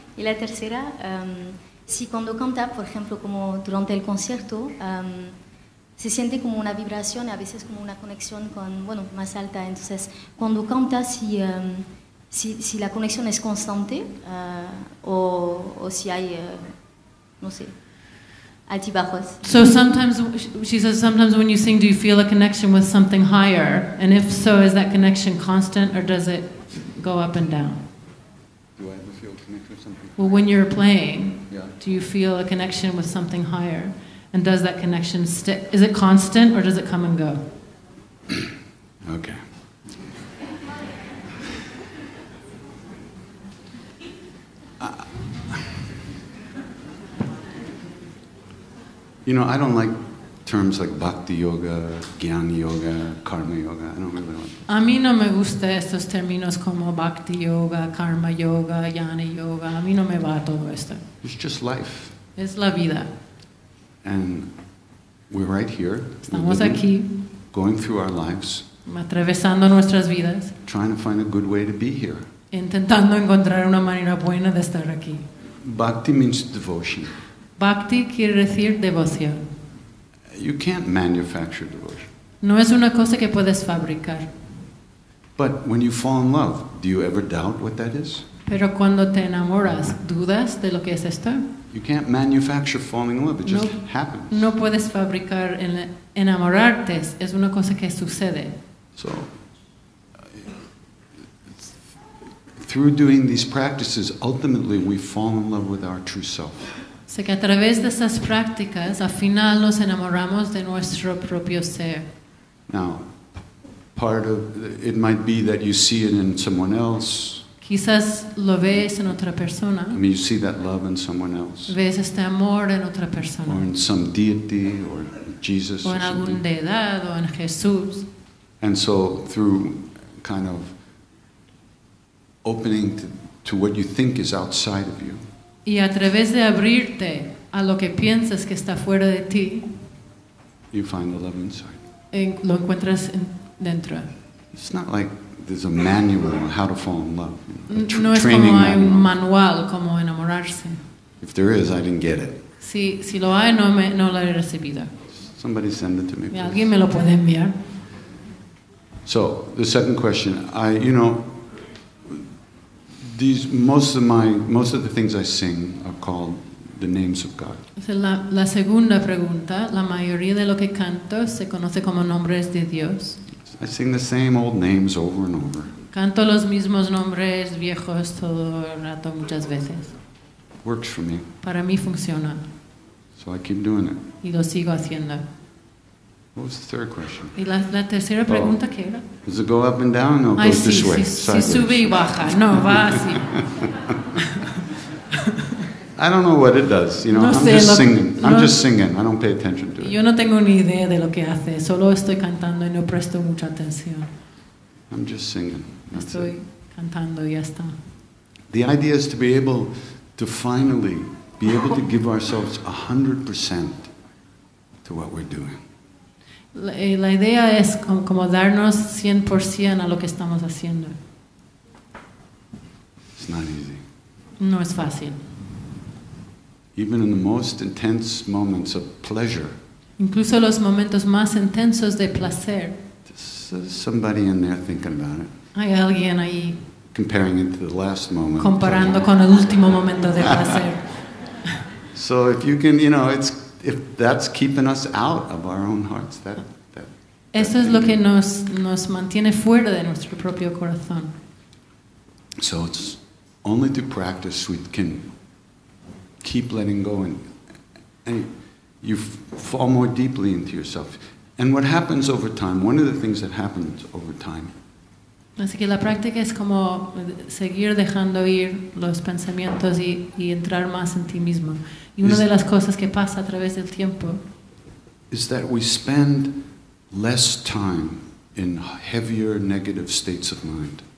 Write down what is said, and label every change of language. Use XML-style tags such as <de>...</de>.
<es>Y la tercera, si cuando canta, por ejemplo, como durante el concierto, se siente como una vibración, a veces como una conexión con, bueno, más alta. Entonces, cuando canta, si la conexión es constante o si hay, no sé, altibajos.</es> <en>So sometimes, she says, sometimes when you sing, do you feel a connection with something higher? And if so, is that connection constant or does it go up and down? Well, when you're playing, yeah. Do you feel a connection with something higher? And does that connection stick? Is it constant or does it come and go? Okay. You know, I don't like terms like bhakti yoga, gyan yoga, karma yoga. I don't really like</en> <es>A mí no me gusta estos términos como bhakti yoga, karma yoga, jnana yoga. A mí no me va todo esto.</es> <en>It's just life.</en> <es>Es la vida.</es> <en>And we're right here.</en> <es>Estamos</es> <en>living,</en> <es>aquí.</es> <en>Going through our lives.</en> <es>Atravesando nuestras vidas.</es> <en>Trying to find a good way to be here.</en> <es>Intentando encontrar una manera buena de estar aquí.</es> <en>Bhakti means devotion.</en> <es>Bhakti quiere decir devoción.</es> <en>You can't manufacture devotion.</en> <es>No es una cosa que puedes fabricar.</es> <en>But when you fall in love, do you ever doubt what that is?</en> <es>Pero cuando te enamoras, ¿dudas de lo que es esto?</es> <en>You can't manufacture falling in love, it just happens.</en> <es>No puedes fabricar enamorarte, es una cosa que sucede.</es> <en>So, through doing these practices, ultimately we fall in love with our true self.</en> <es>Sé que a través de esas prácticas, al final nos enamoramos de nuestro propio ser.</es> <en>Now, part of it might be that you see it in someone else.</en> <es>Quizás lo ves en otra persona.</es> <en>I mean, you see that love in someone else.</en> <es>Ves este amor en otra persona.</es> <en>Or in some deity, or Jesus.</en> <es>O en algún deidad o en Jesús.</es> <en>And so, through kind of opening to what you think is outside of you.</en> <es>Y a través de abrirte a lo que piensas que está fuera de ti,</es> <en>you find the love inside.</en> <es>Lo encuentras dentro.</es> <en>It's not like there's a manual on how to fall in love.</en> <es>No es como hay un manual como enamorarse.</es> <en>If there is, I didn't get it.</en> <es>Si lo hay, no lo he recibido.</es> <en>Somebody send it to me, please.</en> <es>Alguien me lo puede enviar.</es> <en>So, the second question, most of the things I sing are called the names of God.</en> <es>La segunda pregunta, la mayoría de lo que canto se conoce como nombres de Dios.</es> <en>I sing the same old names over and over.</en> <es>Canto los mismos nombres viejos todo el rato muchas veces.</es> <en>Works for me.</en> <es>Para mí funciona.</es> <en>So I keep doing it.</en> <es>Y lo sigo haciendo.</es> <en>What was the third question?</en> <es>¿Y la tercera pregunta qué era?</es> <en>Does it go up and down or</en> <es>Ay,</es> <en>goes</en> <es>sí,</es> <en>this</en> <es>sí,</es> <en>way?</en> <es>Sí, sube y baja. No, va así.</es> <en>I don't know what it does. You know,</en> <es>no</es> <en>I'm</en> <es>sé,</es> <en>just</en> <es>lo,</es> <en>singing. I'm no, just singing. I don't pay attention to it.</en> <es>Yo no tengo ni idea de lo que hace. Solo estoy cantando y no presto mucha atención.</es> <en>I'm just singing.</en> <es>Estoy cantando y ya está.</es> <en>The idea is to be able to finally be able to give ourselves 100% to what we're doing.</en> <es>La idea es como darnos 100% a lo que estamos haciendo.</es> <en>It's not easy.</en> <es>No es fácil.</es> <en>Even in the most intense moments of pleasure.</en> <es>Incluso los momentos más intensos de placer.</es> <en>Somebody in there thinking about it.</en> <es>Hay alguien ahí.</es> <en>Comparing it to the last moment.</en> <es>Comparando con el último momento de placer.</es> <en>So if you can, you know, it's if that's keeping us out of our own hearts, that.</en> <es>Eso es lo que nos mantiene fuera de nuestro propio corazón.</es> <en>So it's only through practice we can keep letting go and you fall more deeply into yourself. And what happens over time, one of the things that happens over time.</en> <es>Así que la práctica es como seguir dejando ir los pensamientos y entrar más en ti mismo. Y una de las cosas que pasa a través del tiempo</es> <en>is that we spend less time in heavier negative states of mind.</en>